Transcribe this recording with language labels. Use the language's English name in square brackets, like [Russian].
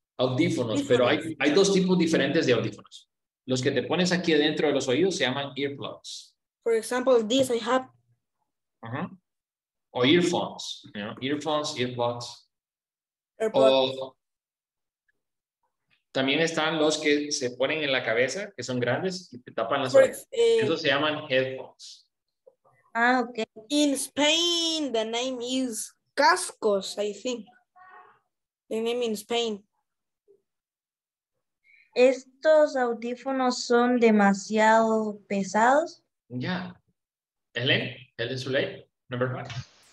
[Spanish] Audífonos, pero hay dos tipos diferentes de audífonos. Los que te pones aquí dentro de los oídos se llaman earplugs. [English] For example, this I have. Uh-huh. O earphones, you know, earphones, earplugs. Earplugs. [Spanish] También están los que se ponen en la cabeza, que son grandes, y te tapan las orejas. Eso se llaman headphones. Ah, ok. [English] In Spain, the name is cascos, I think. The name in Spain. [Spanish] ¿Estos audífonos son demasiado pesados? [English] Ya. Yeah. Ellen, Ellen Suley, number five.